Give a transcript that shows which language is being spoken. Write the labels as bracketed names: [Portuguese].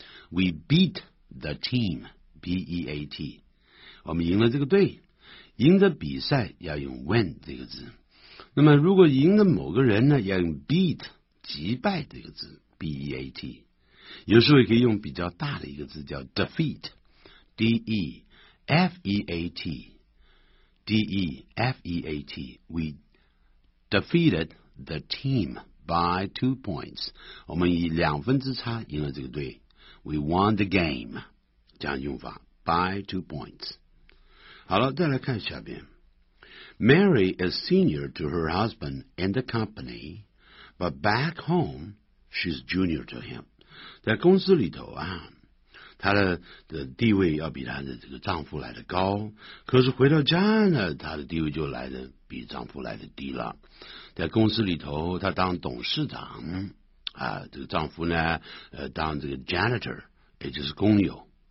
[English] We beat the team [Chinese] BEAT，我们赢了这个队，赢得比赛要用 win 这个字，那么如果赢了某个人呢，要用 beat 击败这个字 BEAT， 有时候也可以用比较大的一个字叫 defeat DEFEAT DEFEAT， [English] We defeated the team by 2 points， [Chinese] 我们以2分之差赢了这个队。 [English] We won the game， [Chinese] 这样用法 [English] by 2 points。 [Chinese] 好了，再来看下边。 [English] Mary is senior to her husband in the company, but back home, she's junior to him. [Chinese] 在公司里头啊，她 的地位要比她的这个丈夫来得高，可是回到家呢，她的地位就来得比丈夫来得低了。在公司里头，她当董事长啊，这个丈夫呢，当这个 janitor， 也就是工友。